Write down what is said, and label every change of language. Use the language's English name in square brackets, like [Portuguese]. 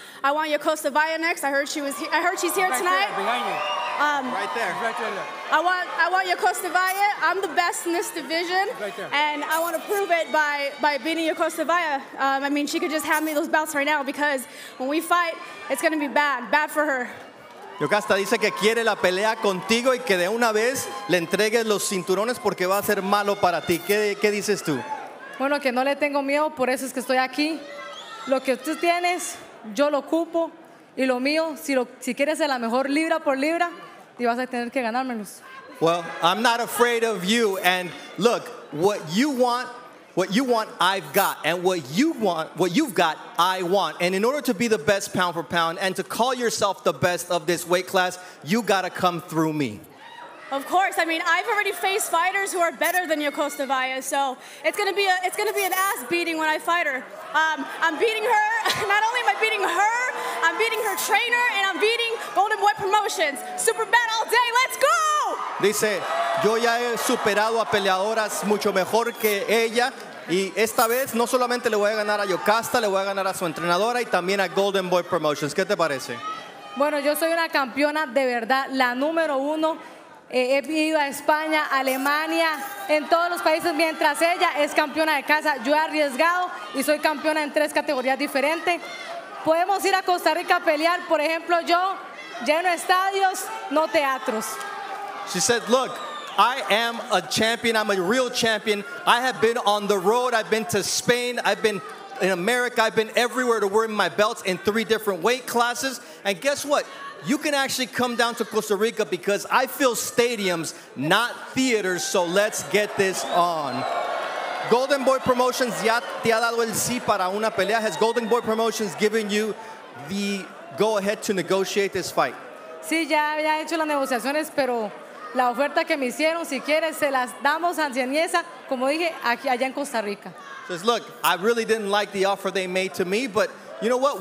[English] I want Yokosta Valle next. I heard she's here right tonight. There, behind you. Right there. I want Yokosta Valle. I'm the best in this division. Right there. And I want to prove it by beating Yokosta Valle. I mean, she could just hand me those belts right now because when we fight, it's going to be bad. Bad for her. [Spanish] Yokosta dice que quiere la pelea contigo y que de una vez le entregues los cinturones porque va a ser malo para ti. ¿Qué dices tú? Bueno, que no le tengo miedo, por eso es que estoy aquí. Lo que tú tienes, yo lo ocupo. Y lo mío, si quieres ser la mejor libra por libra, y vas a tener que ganármelos. [English] Well, I'm not afraid of you. And look, what you want, I've got. And what you want, what you've got, I want. And in order to be the best pound for pound and to call yourself the best of this weight class, you got to come through me. Of course. I mean, I've already faced fighters who are better than Yokosta Valle, so it's gonna be an ass beating when I fight her. I'm beating her. Not only am I beating her, I'm beating her trainer, and I'm beating Golden Boy Promotions. Super bad all day. Let's go! [Spanish] Dice, yo ya he superado a peleadoras mucho mejor que ella, y esta vez no solamente le voy a ganar a Yokosta, le voy a ganar a su entrenadora y también a Golden Boy Promotions. ¿Qué te parece? Bueno, yo soy una campeona de verdad, la número uno. He ido a España, Alemania, en todos los países, mientras ella es campeona de casa. Yo he arriesgado y soy campeona en tres categorías diferentes. Podemos ir a Costa Rica a pelear, por ejemplo, yo lleno estadios, no teatros. [English] She said, look, I am a champion. I'm a real champion. I have been on the road. I've been to Spain. I've been in America. I've been everywhere to wear my belts in three different weight classes. And guess what? You can actually come down to Costa Rica because I fill stadiums, not theaters, so let's get this on. [Spanish] Golden Boy Promotions ya te ha dado el sí para una pelea. [English] Has Golden Boy Promotions given you the go-ahead to negotiate this fight? [Spanish] Sí, ya había hecho las negociaciones, pero la oferta que me hicieron, si quieres, se las damos a Seniesa, como dije, aquí allá en Costa Rica. [English] Says, look, I really didn't like the offer they made to me, but you know what?